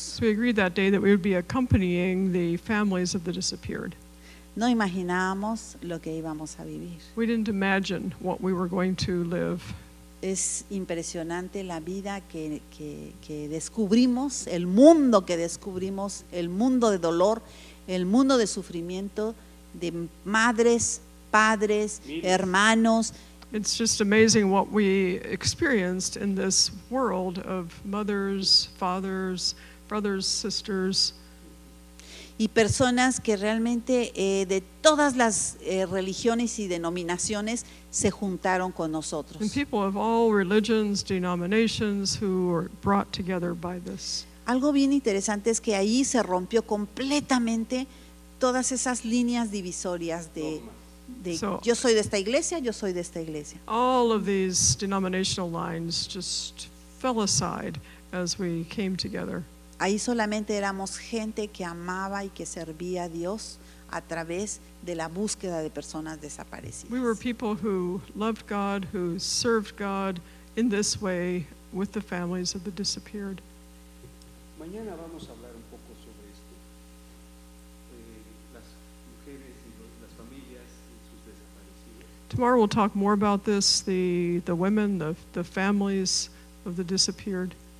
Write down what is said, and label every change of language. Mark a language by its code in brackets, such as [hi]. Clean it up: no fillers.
[en] So we agreed that day that we would be accompanying the families of the disappeared. [es] No imaginábamos lo que íbamos a vivir. [en] We didn't imagine what we were going to live. [es] Es impresionante la vida que descubrimos, el mundo que descubrimos, el mundo de dolor, el mundo de sufrimiento, de madres, padres, hermanos. [en] It's just amazing what we experienced in this world of mothers, fathers, brothers, sisters. [es] Y personas que realmente de todas las religiones y denominaciones se juntaron con nosotros. [en] And people of all religions, denominations who were brought together by this. [es] Algo bien interesante es que ahí se rompió completamente todas esas líneas divisorias de so, yo soy de esta iglesia, yo soy de esta iglesia. [en] All of these denominational lines just fell aside as we came together. [es] Ahí solamente éramos gente que amaba y que servía a Dios a través de la búsqueda de personas desaparecidas. [en] We were people who loved God, who served God in this way with the families of the disappeared. [es] Mañana vamos a hablar un poco sobre esto. Las mujeres y las familias y sus desaparecidos. [en] Tomorrow we'll talk more about this, the women, the families of the disappeared.